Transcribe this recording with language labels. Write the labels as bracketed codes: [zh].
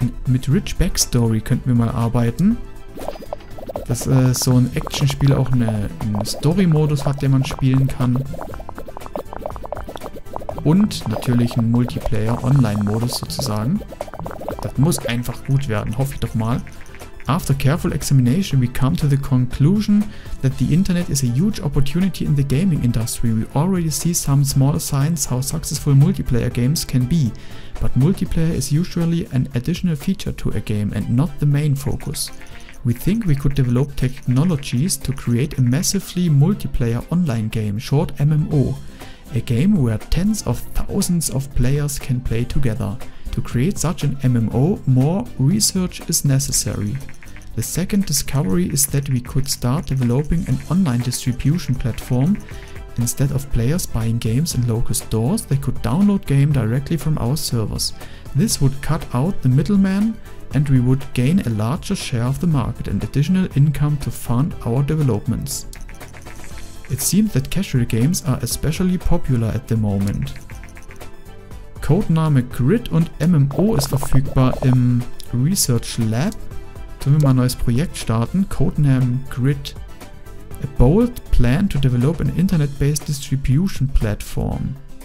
[de] Mit Rich Backstory könnten wir mal arbeiten. Dass so ein Actionspiel auch einen Story-Modus hat, den man spielen kann. Und natürlich einen Multiplayer-Online-Modus sozusagen. Das muss einfach gut werden, hoffe ich doch mal. [en] After careful examination, we come to the conclusion that the internet is a huge opportunity in the gaming industry. We already see some small signs how successful multiplayer games can be, but multiplayer is usually an additional feature to a game and not the main focus. We think we could develop technologies to create a massively multiplayer online game, short MMO, a game where tens of thousands of players can play together. To create such an MMO, more research is necessary. The second discovery is that we could start developing an online distribution platform. Instead of players buying games in local stores, they could download game directly from our servers. This would cut out the middleman and we would gain a larger share of the market and additional income to fund our developments. It seems that casual games are especially popular at the moment. [de] Codename Grid und MMO ist verfügbar im Research Lab. Sollen wir mal ein neues Projekt starten? Codename Grid. [en] A bold plan to develop an internet-based distribution platform.